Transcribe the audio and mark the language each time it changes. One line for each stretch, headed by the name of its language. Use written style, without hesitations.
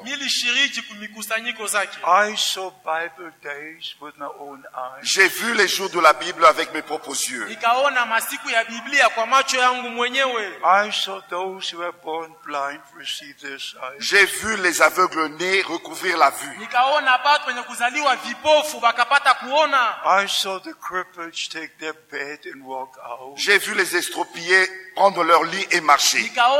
English: I saw Bible days with my own eyes.
French: J'ai vu les jours de la Bible avec mes propres yeux.
English: I saw those who were born blind receive their sight.
French: J'ai vu les aveugles nés recouvrir la vue.
English: I saw the crippled take their bed and walk out.
French: J'ai vu les estropiés prendre leur lit et marcher.